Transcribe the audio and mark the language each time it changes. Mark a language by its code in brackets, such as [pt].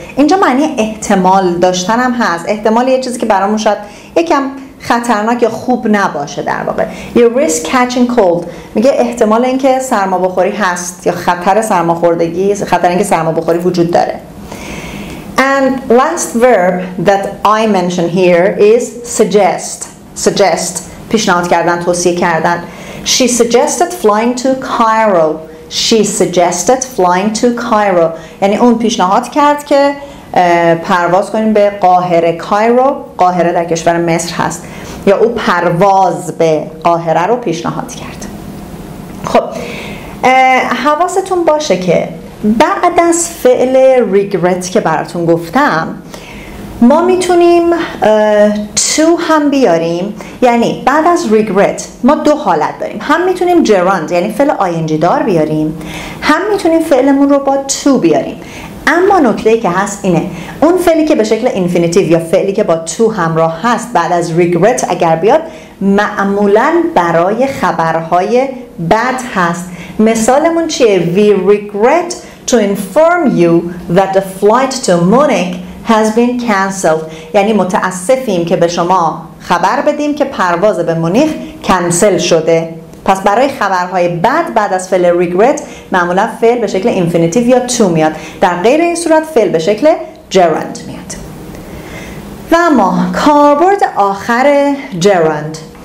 [fa] اینجا معنی احتمال داشتن هم هست. احتمال یه چیزی که برامون شاید یکم خطرناک یا خوب نباشه در واقع. [en] You risk catching cold. [fa] میگه احتمال اینکه سرما بخوری هست یا خطر سرما خوردگی، خطر اینکه سرما بخوری وجود داره. [en] And last verb that I mention here is suggest. Suggest. [fa] پیشنهاد کردن، توصیه کردن. [en] She suggested flying to Cairo. She suggested flying to Cairo. [fa] یعنی اون پیشنهاد کرد که پرواز کنیم به قاهره. Cairo، قاهره در کشور مصر هست. یا او پرواز به قاهره رو پیشنهاد کرد. خب حواستون باشه که بعد از فعل regret که براتون گفتم ما میتونیم تو هم بیاریم. یعنی بعد از regret ما دو حالت داریم، هم میتونیم gerund یعنی فعل ing دار بیاریم، هم میتونیم فعلمون رو با تو بیاریم. اما نکته‌ای که هست اینه اون فعلی که به شکل infinitive یا فعلی که با تو همراه هست بعد از regret اگر بیاد معمولاً برای خبرهای بد هست. مثالمون چیه؟ [en] We regret to inform you that the flight to Munich has been cancelled. [fa] یعنی متاسفیم که به شما خبر بدیم که پرواز به مونیخ کنسل شده. پس برای خبرهای بد بعد از فعل regret معمولا فعل به شکل infinitive یا to میاد. در غیر این صورت فعل به شکل gerund میاد. و اما کاربرد آخر gerund.